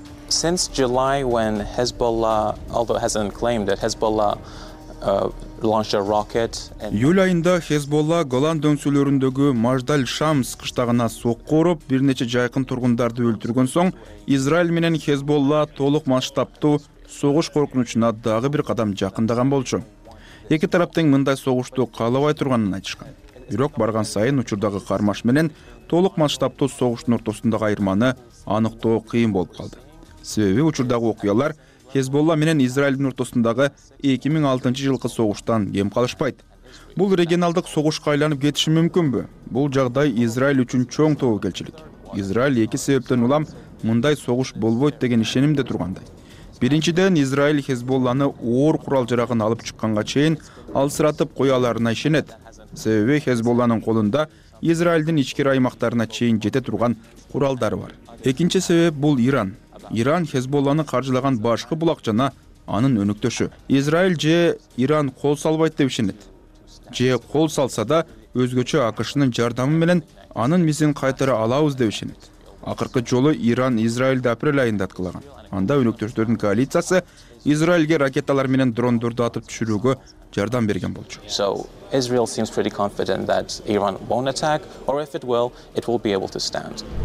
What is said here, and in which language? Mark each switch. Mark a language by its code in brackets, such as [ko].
[en] Since July, when Hezbollah, although it hasn't claimed it, Hezbollah launched a rocket. [ky] Июль айында Hezbollah Golan дөңсөлөрүндөгү Majdal Shams кыштагына сокку уруп, бир нече жакын тургундарды өлтүргөн соң, Израиль менен Hezbollah толук масштабтуу согуш коркунучуна дагы бир кадам жакындаган болчу. Эки тарап тең мындай согушту каалабай турганын айтышкан. Бирок барган сайын учурдагы кармаш менен толук масштабтуу согуштун ортосундагы айырманы аныктоо кыйын болуп калды. Себеби учурдагы окуялар Хезболла менен Израилдин ортосундагы 2006 жылкы согуштан кем калышпайт. Бул регионалдык согушка айланып кетиши мүмкүнбү? Бул жагдай Израиль үчүн чоң тобокелчилик. Израиль эки себептен улам мындай согуш болбойт деген ишенимде тургандай. Биринчиден, Израиль Хезболланы оор курал жарагын алып чыкканга чейин алсыратып кояларына ишенет. Себеби Хезболланын колунда Израилдин ичкери аймактарына чейин жете турган куралдары бар. Экинчи себеп бул Иран. Иран Хезболланы каржылаган башкы булак жана анын өнөктөшү. Израиль же Иран кол салбайт деп ишенет. Же кол салса да өзгөчө АКШнын жардамы менен анын мисин кайтара алабыз деп ишенет. Акыркы жолу Иран Израилди апрель айында аткылаган. Анда өнөктөштөрдүн коалициясы Израилге ракеталар менен дрондорду атып түшүрүүгө жардам берген болчу. [en] So Israel seems pretty confident that Iran won't attack, or if it will, it will be able to stand.